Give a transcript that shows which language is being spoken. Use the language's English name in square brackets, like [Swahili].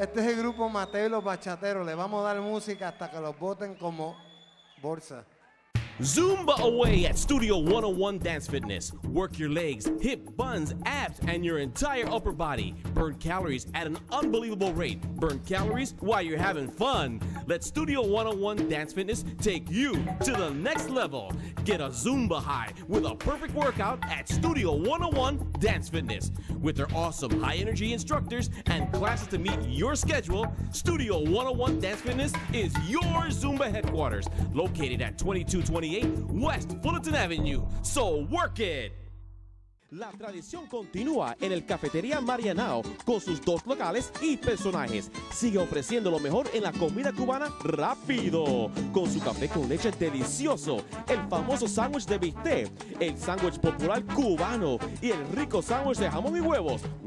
[Spanish] Este es el grupo Mateo y los Bachateros. Le vamos a dar música hasta que los voten como bolsa. [English] Zumba away at Studio 101 Dance Fitness. Work your legs, hip, buns, abs, and your entire upper body. Burn calories at an unbelievable rate. Burn calories while you're having fun. Let Studio 101 Dance Fitness take you to the next level. Get a Zumba high with a perfect workout at Studio 101 Dance Fitness. With their awesome high-energy instructors and classes to meet your schedule, Studio 101 Dance Fitness is your Zumba headquarters, located at 2228 West Fullerton Avenue. So work it! [Spanish] La tradición continúa en el Cafetería Marianao con sus dos locales y personajes. Sigue ofreciendo lo mejor en la comida cubana rápido. Con su café con leche delicioso, el famoso sándwich de bistec, el sándwich popular cubano y el rico sándwich de jamón y huevos.